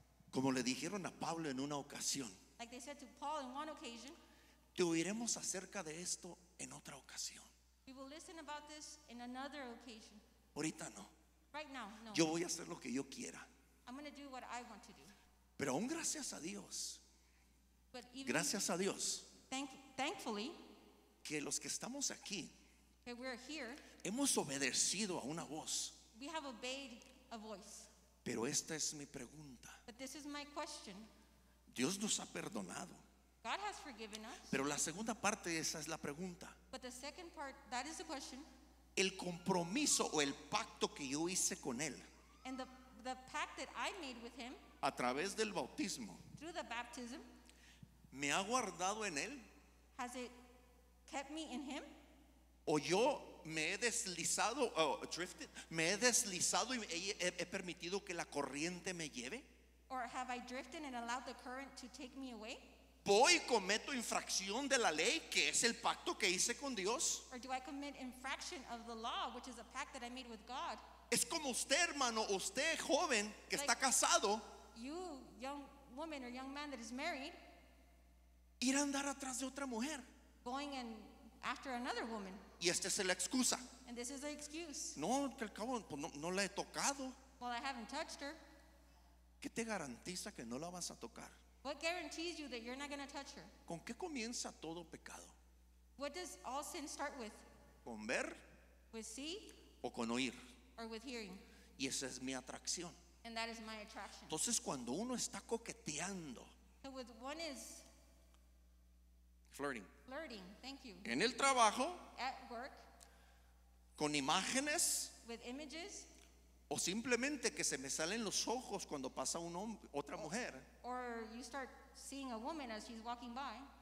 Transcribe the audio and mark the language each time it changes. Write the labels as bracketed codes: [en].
[es] como le dijeron a Pablo en una ocasión, [en] like they said to Paul in one occasion, [es] te oiremos acerca de esto en otra ocasión. [en] We will listen about this in another occasion. [es] Ahorita no. [en] Right now, no. [es] Yo voy a hacer lo que yo quiera. [en] I'm going to do what I want to do. [es] Pero aún gracias a Dios. [en] But even [es] gracias a Dios. [en] Thankfully, [es] que los que estamos aquí, [en] that we're here, [es] hemos obedecido a una voz. [en] We have obeyed a voice. [es] Pero esta es mi pregunta. [en] But this is my question. [es] Dios nos ha perdonado. [en] God has forgiven us. [es] Pero la segunda parte, esa es la pregunta. [en] But the second part, that is the question. [es] El compromiso o el pacto que yo hice con él. [en] And the pact that I made with him, [es] a través del bautismo, [en] through the baptism, [es] me ha guardado en él, [en] has it kept me in him, [es] o yo me he deslizado, drifted, me he deslizado y he permitido que la corriente me lleve, [en] or have I drifted and allowed the current to take me away, [es] voy y cometo infracción de la ley que es el pacto que hice con Dios, [en] or do I commit infraction of the law which is a pact that I made with God. [es] Es como usted, hermano, usted joven que está casado, [en] you, young woman or young man that is married, [es] ir a andar atrás de otra mujer. [en] Going and after another woman. [es] Y esta es la excusa. [en] And this is the excuse. [es] No, que al cabo pues no la he tocado. [en] Well, I haven't touched her. [es] ¿Qué te garantiza que no la vas a tocar? [en] What guarantees you that you're not going to touch her? [es] ¿Con qué comienza todo pecado? [en] What does all sin start with? [es] ¿Con ver? [en] With see? [es] ¿O con oír? [en] Or with hearing. [es] Y esa es mi atracción. [en] And that is my attraction. [es] Entonces cuando uno está coqueteando. [en] So with one is flirting. Flirting, thank you. [es] En el trabajo. [en] At work. [es] Con imágenes. [en] With images. [es] O simplemente que se me salen los ojos cuando pasa un hombre, otra mujer. [en] Or you start seeing a woman as she's walking by.